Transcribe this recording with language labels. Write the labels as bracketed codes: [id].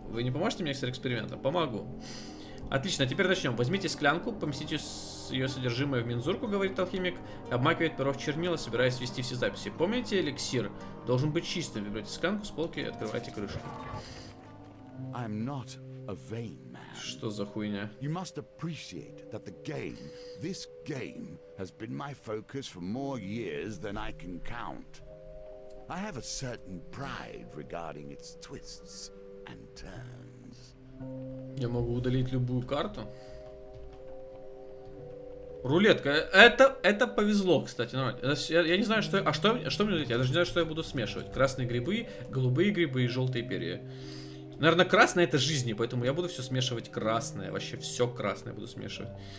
[ru] Вы не поможете мне с экспериментом? Помогу. Отлично, теперь начнем. Возьмите склянку, поместите ее содержимое в мензурку, говорит алхимик, обмакивает перо в чернила, собираясь ввести все записи. Помните, эликсир должен быть чистым. Берете склянку с полки и открывайте крышку. [en] I'm not a vain man. [ru] Что за хуйня? [en] You must appreciate that the game, this game, has been my focus for more years than I can count. I have a certain pride regarding its twists and turns. [ru] Я могу удалить любую карту. Рулетка. Это повезло, кстати. Я не знаю, что... А что мне делать? Я даже не знаю, что я буду смешивать. Красные грибы, голубые грибы и желтые перья. Наверное, красное это жизни, поэтому я буду все смешивать красное. Вообще все красное буду смешивать.